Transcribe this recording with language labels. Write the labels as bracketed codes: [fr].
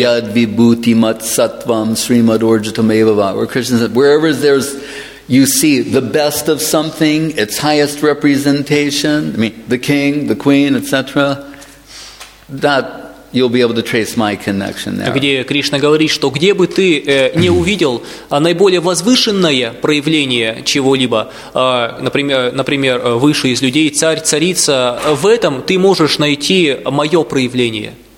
[sa] Яд вибхути мат саттвам сримад орджитам эва ва. [en] Where Krishna said, wherever there's... You see the best of something, its highest representation, I mean, the king, the queen, etc., that you'll be able to trace my connection there. [ru] Где Кришна говорит, что где бы ты не увидел наиболее возвышенное проявление чего-либо, например, выше из людей, царь, царица, в этом ты можешь найти мое проявление.